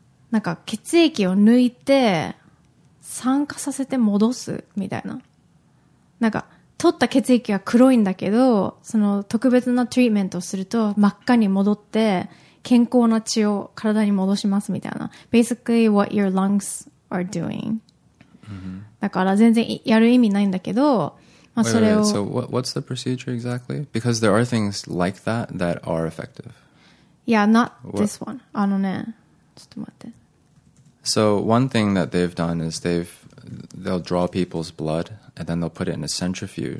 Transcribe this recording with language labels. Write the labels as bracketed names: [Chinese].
[Japanese] なんか血液を抜いて酸化させて戻すみたいななんか取った血液が黒いんだけどその特別なトリートメントをすると真っ赤に戻って健康な血を体に戻しますみたいな [English] Basically what your lungsare doing. [Japanese] だから全然やる意味ないんだけど、まあ、それを [English] So what's the procedure exactly? Because there are things like that that are effective. Yeah, not this one. [Japanese] あのね、ちょっと待って。 [English] So one thing that they've done is they'll draw people's blood and then they'll put it in a centrifuge.